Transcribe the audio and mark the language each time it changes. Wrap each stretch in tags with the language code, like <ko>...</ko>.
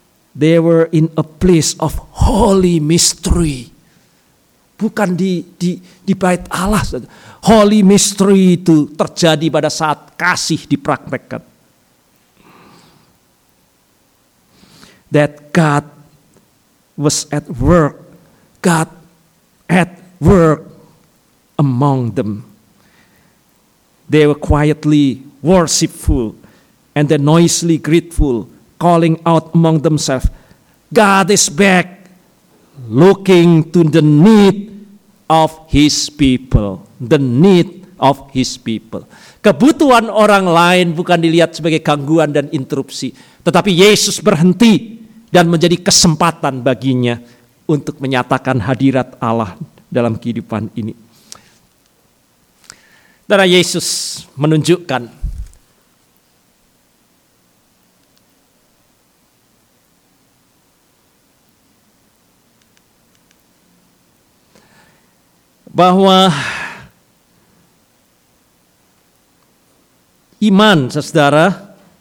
<en>They were in a place of holy mystery.</en> <id>Bukan di bait Allah.</id> <en>Holy mystery</en> <id>itu terjadi pada saat kasih dipraktekkan.</id> <en>That God was at work. God at work among them. They were quietly worshipful and then noisily grateful, calling out among themselves, God is back, looking to the need of his people. The need of his people.</en> <id>Kebutuhan orang lain bukan dilihat sebagai gangguan dan interupsi, tetapi Yesus berhenti dan menjadi kesempatan baginya untuk menyatakan hadirat Allah dalam kehidupan ini. Dan Yesus menunjukkan bahwa iman, saudara,</id>